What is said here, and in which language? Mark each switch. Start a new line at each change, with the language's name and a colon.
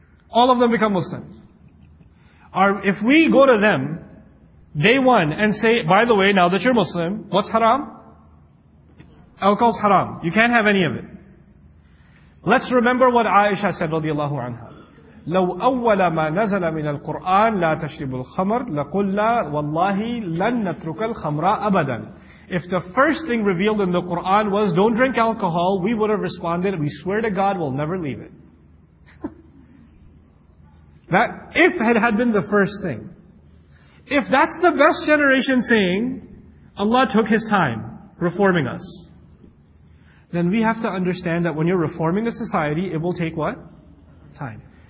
English: All of them become Muslims. If we go to them, day one, and say, by the way, now that you're Muslim, what's haram? Alcohol's haram. You can't have any of it. Let's remember what Aisha said, radiallahu anha.
Arabic: لو أول ما نزل من القرآن لا تشرب الخمر لقلا والله لن نترك الخمر أبدا.
English: If the first thing revealed in the Quran was don't drink alcohol, we would have responded, we swear to God, we'll never leave it. That if it had been the first thing. If that's the best generation saying, Allah took His time reforming us, then we have to understand that when you're reforming a society, it will take what? Time.